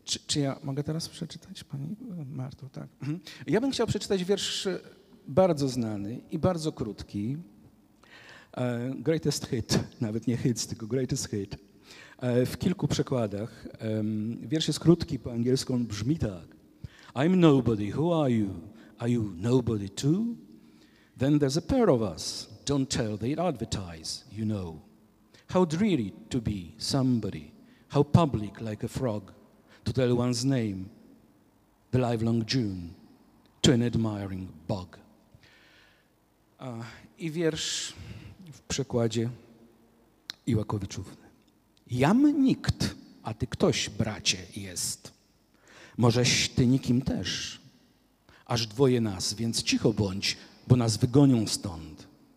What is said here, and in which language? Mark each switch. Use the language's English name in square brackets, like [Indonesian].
[Polish] Czy ja mogę teraz przeczytać, pani Marto? Tak. Ja bym chciał przeczytać wiersz bardzo znany i bardzo krótki. [English] Greatest hit, [Polish] nawet nie hits, tylko greatest hit. W kilku przekładach. Wiersz jest krótki, po angielsku on brzmi tak. [English] I'm nobody, who are you? Are you nobody too? Then there's a pair of us, don't tell, they advertise, you know. How dreary to be somebody, how public like a frog, to tell one's name, the livelong June, to an admiring bog. [Polish] I wiersz w przekładzie Iłakowiczów. Jam nikt, a ty ktoś, bracie, jest. Możeś ty nikim też. Aż dwoje nas, więc cicho bądź, bo nas wygonią stąd.